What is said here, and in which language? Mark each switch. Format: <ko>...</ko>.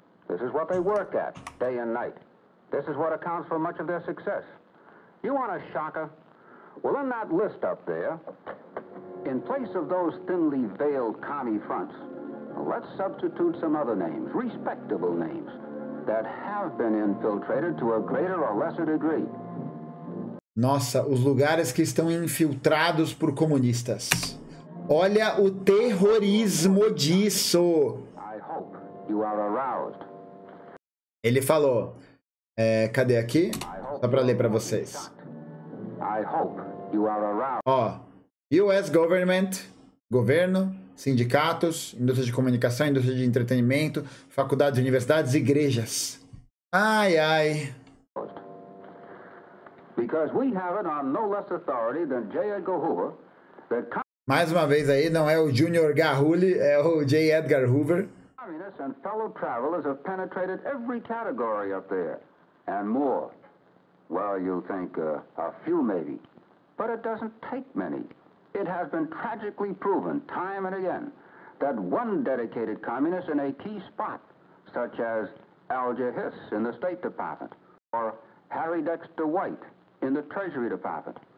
<en>This is what they work at, day and night. This is what accounts for much of their success. You want a shocker? Well, in that list up there, in place of those thinly veiled commie fronts, let's substitute some other names, respectable names, that have been infiltrated to a greater or lesser degree.</en> <pt>Nossa, os lugares que estão infiltrados por comunistas. Olha o terrorismo disso.</pt> <en>I hope you are aroused.</en> <pt>Ele falou. É, cadê aqui? Só pra ler pra vocês.</pt> <en>I hope you are aroused.</en> <pt>Ó. US government, governo, sindicatos, indústria de comunicação, indústria de entretenimento, faculdades, universidades, igrejas. Ai, ai.</pt> <en>Because we have it on no less authority than J. Edgar Hoover.</en> <pt>Mais uma vez aí, não é o Junior Garrulli, é o J. Edgar Hoover.</pt> <en>Communists and fellow travelers have penetrated every category up there. And more. Well, you think a few maybe. But it doesn't take many. It has been tragically proven time and again that one dedicated communist in a key spot, such as Alger Hiss in the State Department, or Harry Dexter White in the Treasury Department.</en>